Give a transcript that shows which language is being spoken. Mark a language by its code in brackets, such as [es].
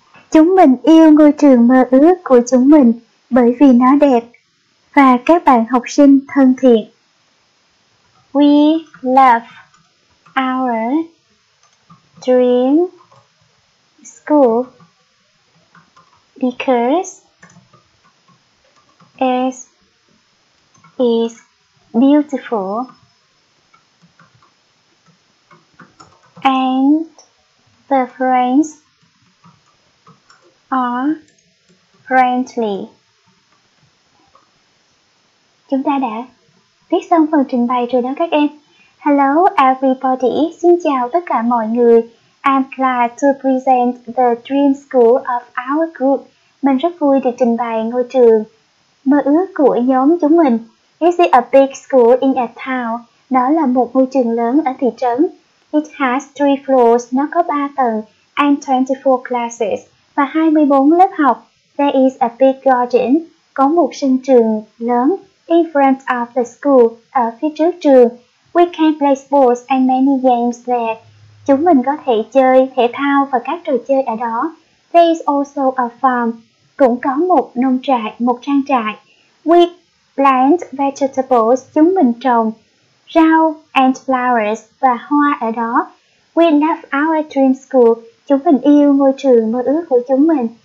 [vi] Chúng mình yêu ngôi trường mơ ước của chúng mình bởi vì nó đẹp và các bạn học sinh thân thiện. [en] We love our dream school because it is beautiful and the friends are friendly. [vi] Chúng ta đã viết xong phần trình bày rồi đó các em. [en] Hello everybody, [vi] xin chào tất cả mọi người. [en] I'm glad to present the dream school of our group. [vi] Mình rất vui được trình bày ngôi trường mơ ước của nhóm chúng mình. [en] Is it a big school in a town? [vi] Nó là một ngôi trường lớn ở thị trấn. [en] It has 3 floors. [vi] Nó có 3 tầng. [en] And 24 classes. [vi] Và 24 lớp học. [en] There is a big garden. [vi] Có một sân trường lớn. [en] In front of the school. [vi] Ở phía trước trường. [en] We can play sports and many games there. [vi] Chúng mình có thể chơi thể thao và các trò chơi ở đó. [en] There is also a farm. [vi] Cũng có một nông trại, một trang trại. [en] We plant vegetables. [vi] Chúng mình trồng rau [en] and flowers [vi] và hoa ở đó. [en] We love our dream school. [vi] Chúng mình yêu ngôi trường mơ ước của chúng mình.